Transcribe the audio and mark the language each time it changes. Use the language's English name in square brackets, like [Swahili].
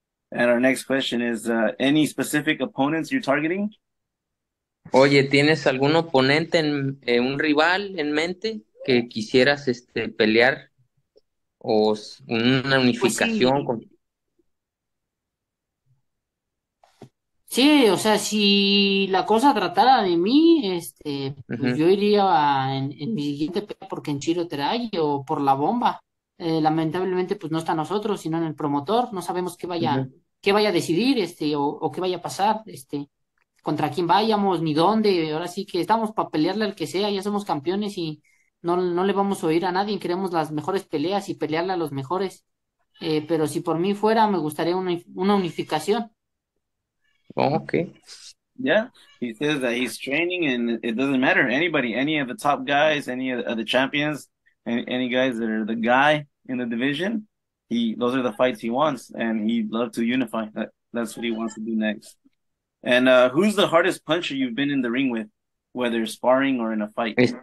[English] And our next question is, any specific opponents you're targeting? [Spanish] Oye, ¿tienes algún oponente en un rival en mente que quisieras pelear o una Pues unificación sí. con? Sí, o sea, si la cosa tratara de mí, pues yo iría en mi siguiente pelea por Kenshiro Terai o por la bomba. Lamentablemente, pues no está nosotros, sino en el promotor. No sabemos qué vaya a decidir, o qué vaya a pasar, contra quién vayamos, ni dónde. Ahora sí que estamos para pelearle al que sea, ya somos campeones y no le vamos a oír a nadie. Queremos las mejores peleas y pelearle a los mejores. Pero si por mí fuera, me gustaría una unificación. [English] Okay. Yeah, he says that he's training and it doesn't matter. Anybody, any of the top guys, any of the champions, any guys that are the guy in the division, those are the fights he wants, and he'd love to unify. That's what he wants to do next. And who's the hardest puncher you've been in the ring with, whether sparring or in a fight?